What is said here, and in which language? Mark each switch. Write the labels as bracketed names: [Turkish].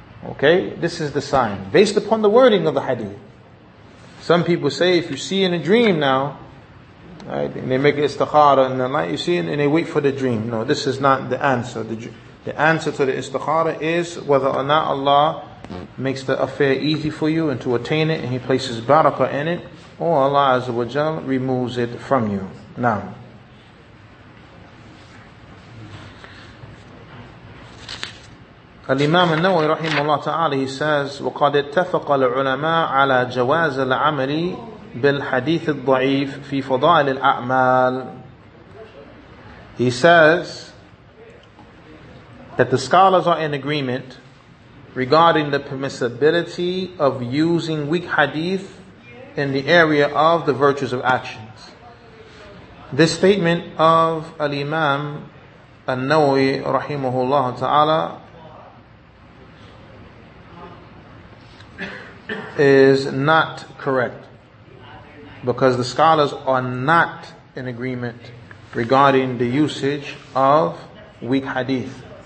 [English] Okay, this is the sign, based upon the wording of the hadith. Some people say, if you see in a dream now, right, and they make it istikhara in the night, you see, and they wait for the dream. No, this is not the answer. The answer to the istikhara is whether or not Allah makes the affair easy for you and to attain it, and He places barakah in it, or Allah Azza wa Jal removes it from you. Now, [Arabic] الإمام النووي رحمه الله تعالى he says وقد اتفق العلماء على جواز العمل بالحديث الضعيف في فضائل الأعمال. [English] He says that the scholars are in agreement regarding the permissibility of using weak hadith in the area of the virtues of actions. This statement of Al-Imam An-Nawawi rahimahullah ta'ala is not correct, because the scholars are not in agreement regarding the usage of weak hadith.